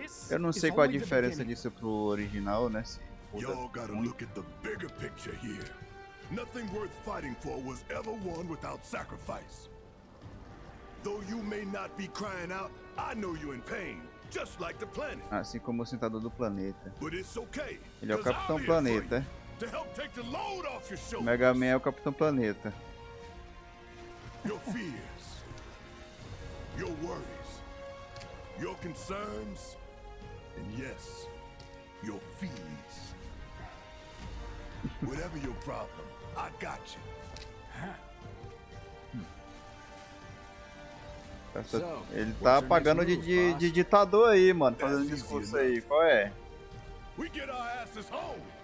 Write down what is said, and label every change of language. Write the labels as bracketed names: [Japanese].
[Portuguese] Eu não sei qual a diferença disso pro original, né? [English] Y'all gotta look at the bigger picture here. Nothing worth fighting for was ever won without sacrifice. Though you may not be crying out, I know you're in pain, just like the planet. [Portuguese] Assim como o sentador do planeta. [English] But it's okay. [Portuguese] Ele é o Capitão Planeta. [English] To help take the load off your shoulders. [Portuguese] Mega Man é o Capitão Planeta. [English] Your fears, your worries, your concerns, and yes, your fears. Whatever your problem, I got you. [Portuguese] Essa, ele tá apagando de ditador aí, mano, fazendo discurso aí. Qual é? [English] We get our asses home.